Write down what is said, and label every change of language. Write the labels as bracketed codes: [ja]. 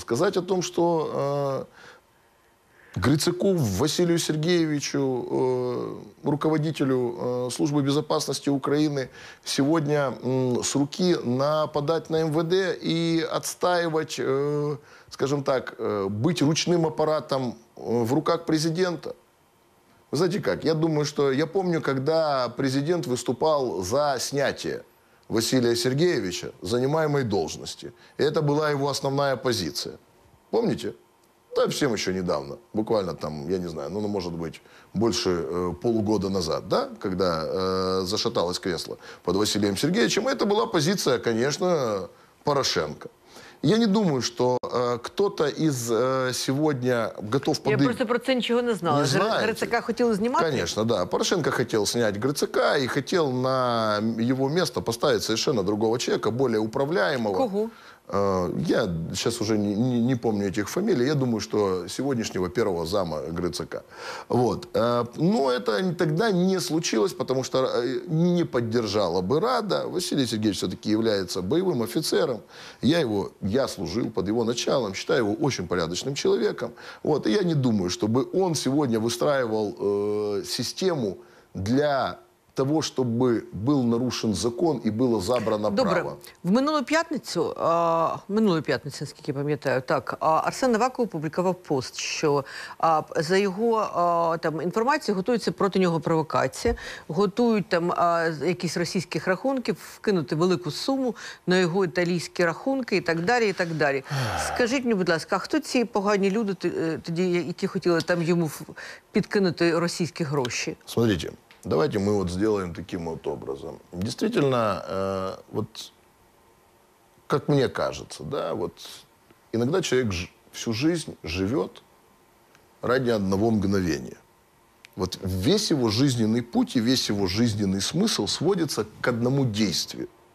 [uk] Сказати о том, що Грицаку Василию Сергеевичу, руководителю Служби безопасности України, сьогодні з руки нападати на МВД і відстоювати, скажімо так, бути ручним апаратом в руках президента. Ви знаєте як? Я думаю, що я пам'ятаю, коли президент виступав за зняття Василия Сергеевича [ru] занимаемой должности. И это была его основная позиция. Помните? Да, всем еще недавно. Буквально там, я не знаю, ну может быть, больше полугода назад, да? Когда зашаталось кресло под Василием Сергеевичем. И это была позиция, конечно, Порошенко. Я не думаю, что кто-то из сегодня готов подыграть. [uk] Я просто про це нічого не знала. Не знаєте? Грицака хотіли знімати? [ru] Конечно, да. Порошенко хотел снять Грицака и хотел на его место поставить совершенно другого человека, более управляемого. Кого? Я сейчас уже не помню этих фамилий. Я думаю, что сегодняшнего первого зама Грицака. Вот. Но это тогда не случилось, потому что не поддержала бы Рада. Василий Сергеевич все-таки является боевым офицером. Я служил под его началом. Считаю его очень порядочным человеком. Вот. И я не думаю, чтобы он сегодня выстраивал систему для того, [uk] щоб був нарушен закон і було забрано право. Добре. В минулу п'ятницю, наскільки я пам'ятаю, так, Арсен Аваков опублікував пост, що за його там інформацією готується проти нього провокація, готують там якісь російських рахунків, вкинути велику суму на його італійські рахунки і так далі, і так далі. Скажіть мені, будь ласка, а хто ці погані люди тоді, які хотіли там йому підкинути російські гроші? [ru] Смотрите. Давайте мы вот сделаем таким вот образом. Действительно, вот как мне кажется, да, вот иногда человек всю жизнь живет ради одного мгновения. Вот весь его жизненный путь и весь его жизненный смысл сводится к одному действию.